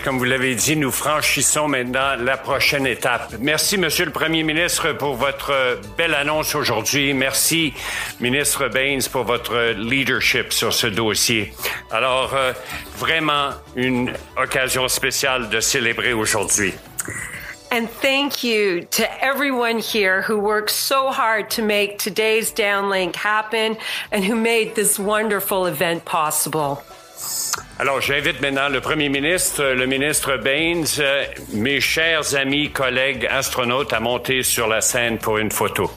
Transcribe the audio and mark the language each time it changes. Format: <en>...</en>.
<fr>Comme vous l'avez dit, nous franchissons maintenant la prochaine étape. Merci, Monsieur le Premier ministre, pour votre belle annonce aujourd'hui. Merci, ministre Baines, pour votre leadership sur ce dossier. Alors, vraiment une occasion spéciale de célébrer aujourd'hui.</fr> <en>And thank you to everyone here who worked so hard to make today's downlink happen and who made this wonderful event possible.</en> <fr>Alors, j'invite maintenant le Premier ministre, le ministre Baines, mes chers amis, collègues astronautes à monter sur la scène pour une photo.</fr>